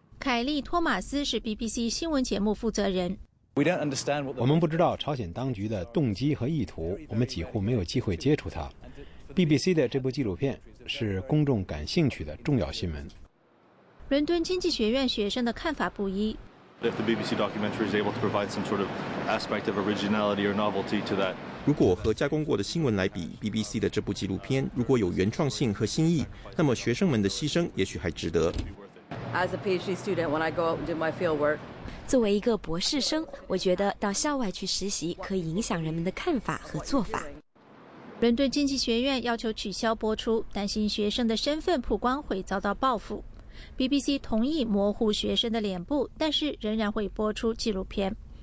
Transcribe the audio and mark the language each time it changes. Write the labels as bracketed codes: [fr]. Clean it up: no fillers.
[zh] 凯利·托马斯是 BBC 新闻节目负责人。我们不知道朝鲜当局的动机和意图，我们几乎没有机会接触它。 BBC 的这部纪录片是公众感兴趣的重要新闻。伦敦经济学院学生的看法不一。 [en] If the BBC documentary is able to provide some sort of aspect of originality or novelty to that, [zh] 如果和加工过的新闻来比 ，BBC 的这部纪录片如果有原创性和新意，那么学生们的牺牲也许还值得。 [en] As a PhD student, when I go out and do my field work, [zh] 作为一个博士生，我觉得到校外去实习可以影响人们的看法和做法。伦敦经济学院要求取消播出，担心学生的身份曝光会遭到报复。 BBC 同意模糊学生的脸部，但是仍然会播出纪录片。